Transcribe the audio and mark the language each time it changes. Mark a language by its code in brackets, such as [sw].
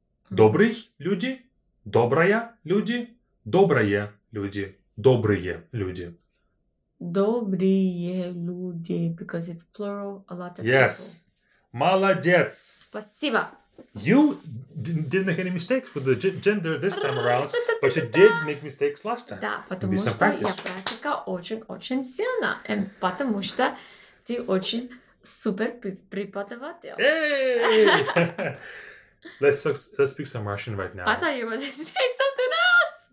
[ru] Добрый люди. Добрая люди. Добрые люди. Добрые люди. Добрые люди, [en] because it's plural, a lot of yes. people. Yes. [ru] Молодец. Спасибо. [en] You didn't make any mistakes with the gender this time around, but you did make mistakes last time. [ru] Да, потому что я практика очень-очень сильна, и потому что ты очень супер преподаватель. [en] Hey! Let's speak some Russian right now. I thought you were going to say something else.